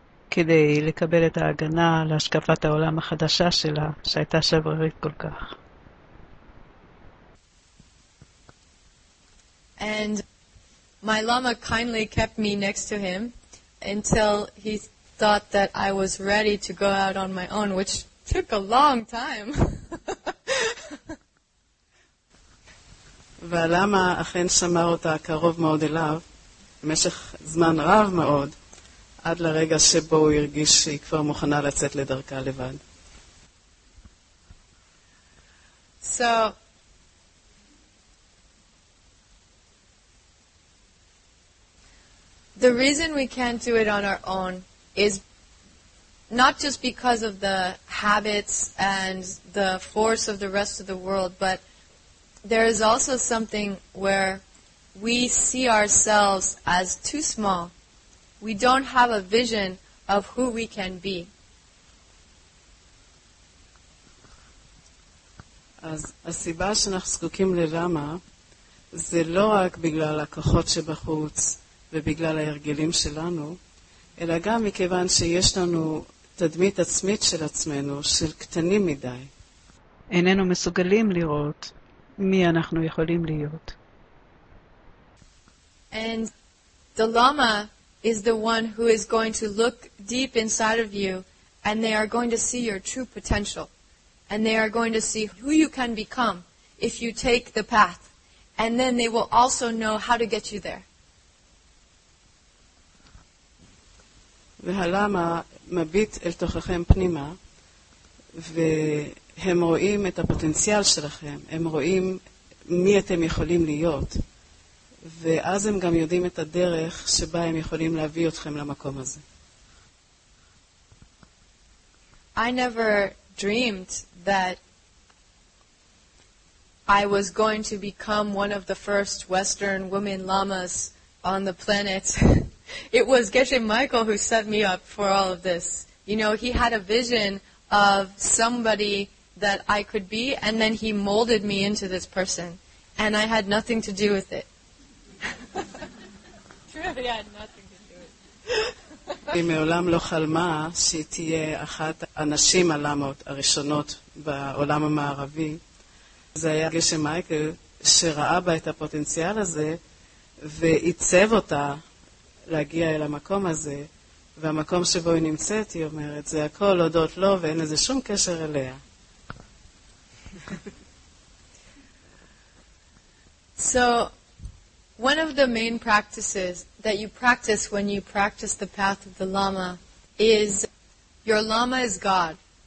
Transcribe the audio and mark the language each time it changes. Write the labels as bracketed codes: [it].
[he] כדי לקבל את ההגנה להשקפת העולם החדשה שלה, שהייתה שברירית כל כך. [en] And my lama kindly kept me next to him until he thought that I was ready to go out on my own, which took a long time. [he] והלמה אכן שמר אותה קרוב מאוד אליו, במשך זמן רב מאוד, עד לרגע שבו הוא הרגיש שהיא כבר מוכנה לצאת לדרכה לבד. [en] So, the reason we can't do it on our own is not just because of the habits and the force of the rest of the world, but there is also something where we see ourselves as too small. We don't have a vision of who we can be. [he] אז הסיבה שאנחנו זקוקים ללמה זה לא רק בגלל הכוחות שבחוץ ובגלל ההרגלים שלנו, אלא גם מכיוון שיש לנו תדמית עצמית של עצמנו של קטנים מדי. איננו מסוגלים לראות מי אנחנו יכולים להיות. [en] And the lama is the one who is going to look deep inside of you and they are going to see your true potential and they are going to see who you can become if you take the path and then they will also know how to get you there. [he] והלמה מביט אל תוככם פנימה והם רואים את הפוטנציאל שלכם, הם רואים מי אתם יכולים להיות, ואז הם גם יודעים את הדרך שבה הם יכולים להביא אתכם למקום הזה. [en] I never dreamed that I was going to become one of the first Western women lamas on the planet. It was Geshe Michael who set me up for all of this. You know, he had a vision of somebody that I could be, and then he molded me into this person, and I had nothing to do with it. Truly, I had nothing to do with it. [he] היא מעולם לא חלמה שהיא תהיה אחת הנשים הלמות הראשונות בעולם המערבי. זה היה גשם מייקל שראה בה את הפוטנציאל הזה, ועיצב אותה להגיע אל המקום הזה, והמקום שבו היא נמצאת, היא אומרת, זה הכל הודות לו, ואין לזה שום קשר אליה. [en] So one of the main practices that you practice when you practice the path of the lama is your lama is God.